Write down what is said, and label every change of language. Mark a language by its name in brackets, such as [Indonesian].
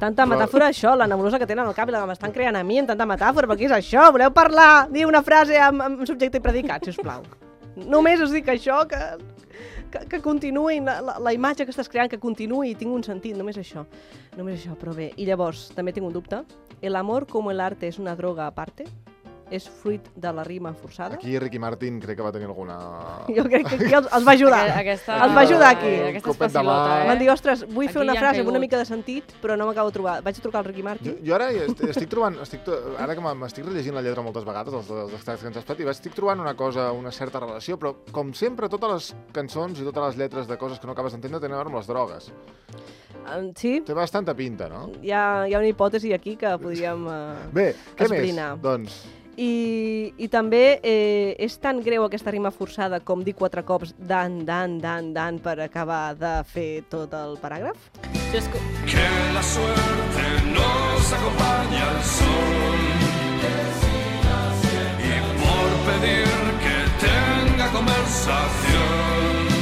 [Catalan] Tanta metàfora, però... això, la nebulosa que tenen al cap i la que m'estan creant a mi amb tanta metàfora, però què és això? Voleu parlar? Diu una frase amb subjecte i predicat, sisplau. Només us dic això, que continuï la imatge que estàs creant, que continuï i tinc un sentit, només això. Només això, però bé. I llavors, també tinc un dubte. [Spanish] El amor como el arte es una droga aparte? [Catalan] És fruit de la rima forçada? Aquí Ricky Martin crec que va tenir alguna... Jo crec que aquí els va ajudar. Aquesta... Els va ajudar aquí. Aquesta és facilota, eh? Van dir, ostres, vull aquí fer una frase amb una mica de sentit, però no m'acabo de trobar. Vaig a trucar al Ricky Martin. Jo ara estic trobant... ara que m'estic rellegint la lletra moltes vegades, els extractes que ens has fet, i estic trobant una cosa, una certa relació, però com sempre, totes les cançons i totes les lletres de coses que no acabes d'entendre tenen a veure amb les drogues. Sí. Té bastanta pinta, no? Hi ha una hipòtesi aquí que podríem bé, què esbrinar. Més? Doncs... I també és tan greu aquesta rima forçada com dir 4 cops dan, dan, dan, dan per acabar de fer tot el paràgraf? [Spanish] Que la suerte nos acompaña al sol y por pedir que tenga conversación.